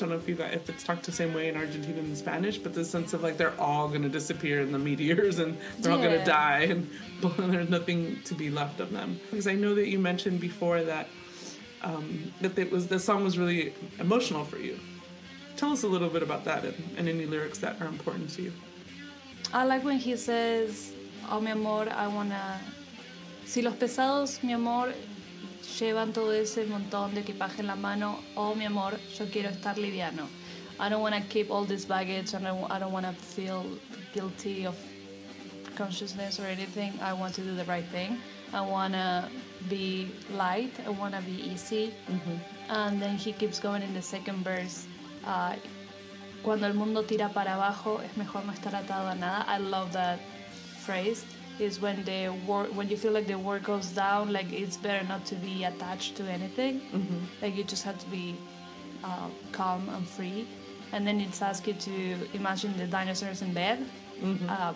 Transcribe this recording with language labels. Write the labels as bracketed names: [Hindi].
[English] I don't know if it's talked the same way in Argentina and Spanish, but the sense of like they're all gonna disappear in the meteors and they're all gonna die and there's nothing to be left of them. Because I know that you mentioned before that the song was really emotional for you. Tell us a little bit about that and any lyrics that are important to you. I like when he says, [Spanish] oh, mi amor, [English] I wanna. [Spanish] Si los pesados, mi amor, llevan todo ese montón de equipaje en la mano, oh, mi amor, yo quiero estar liviano. [English] I don't wanna keep all this baggage and I don't wanna feel guilty of consciousness or anything. I want to do the right thing. I wanna be light. I wanna be easy. Mm-hmm. And then he keeps going in the second verse. [Spanish] Cuando el mundo tira para abajo, es mejor no estar atado a nada. [English] I love that phrase, is when the war, when you feel like the war goes down, like it's better not to be attached to anything, mm-hmm. like you just have to be calm and free. And then it's asked you to imagine the dinosaurs in bed, mm-hmm.